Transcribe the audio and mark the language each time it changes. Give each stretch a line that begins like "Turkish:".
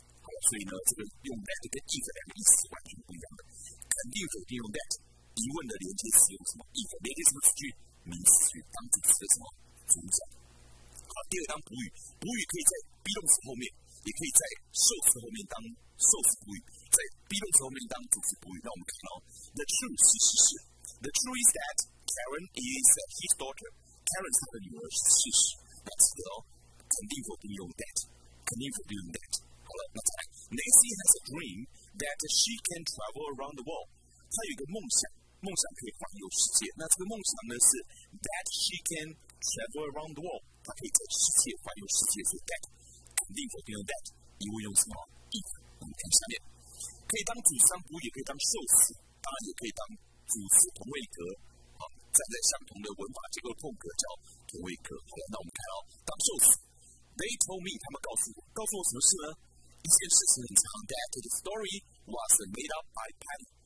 Chinese: 好，所以呢，这个用 that 跟 if 两个意思完全不一样的，肯定否定用 that， 疑问的连接词用什么 ？if 连接什么词句？名词句当主词的什么主角？好，第二当补语，补语可以在 be 动词后面，也可以在受词后面当受词补语，在 be 动词后面当主词补语。那我们看到
English: the truth 是事实 ，the truth is that Karen is his daughter。
Chinese: Karen 是他的女儿是事实，那记得哦，肯定否定用 that， 肯定否定用 that。好了，那再来 ，
English: Nancy has a dream that she can travel around the world。
Chinese: 她有一个梦想。梦想可以环游世界，那这个梦想呢是
English: that she can travel around the world，
Chinese: 她可以在世界环游世界，所以 that 肯定否定用 that， 疑问用什么 if？我们看下面，可以当主词补语，也可以当受词，当然也可以当主词同位格，啊，站在相同的文法结构空格叫同位格。好，那我们看到当受词 ，
English: they told me，
Chinese: 他们告诉我什么事呢？一件事情很长 ，
English: that the story was made up by Patty。